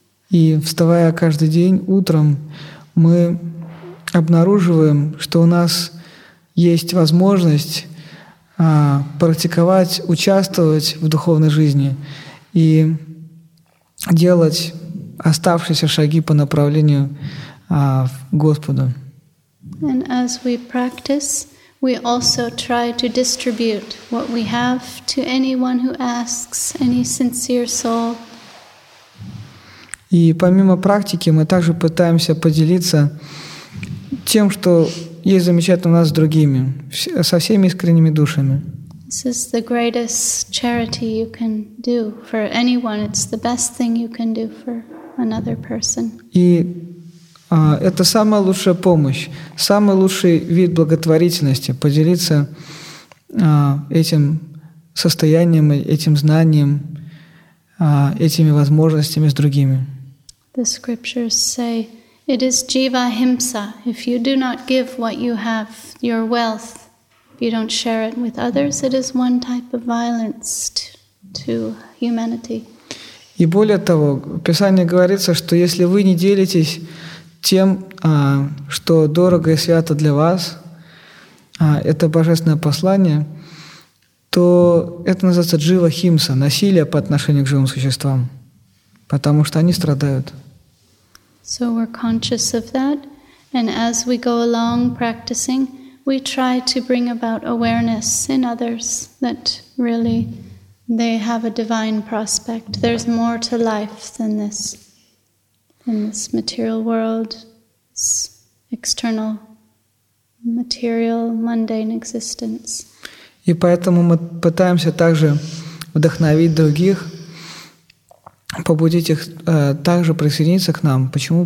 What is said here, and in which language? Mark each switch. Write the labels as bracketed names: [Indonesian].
[Russian] И вставая каждый день утром, мы обнаруживаем, что у нас есть возможность практиковать, участвовать в духовной жизни и делать оставшиеся шаги по направлению к Господу. [English] And as we practice, we also try to distribute what we have to anyone who asks, any sincere soul. [Russian] И помимо практики, мы также пытаемся поделиться тем, что есть замечательно у нас с другими, со всеми искренними душами. [English] This is the greatest charity you can do for anyone. It's the best thing you can do for another person. [Russian] И это самая лучшая помощь, самый лучший вид благотворительности — поделиться этим состоянием, этим знанием, этими возможностями с другими. [English] The scriptures say, it is jiva himsa. If you do not give what you have, your wealth, if you don't share it with others, it is one type of violence to humanity. [Russian] И более того, в Писании говорится, что если вы не делитесь тем, что дорого и свято для вас, это божественное послание, то это называется jiva himsa, насилие по отношению к живым существам, потому что они страдают. [English] So we're conscious of that, and as we go along practicing, we try to bring about awareness in others that really they have a divine prospect. There's more to life than this, in this material world, this external, material, mundane existence. [Russian] И поэтому мы пытаемся также вдохновить других, побудить их также присоединиться к нам. Почему?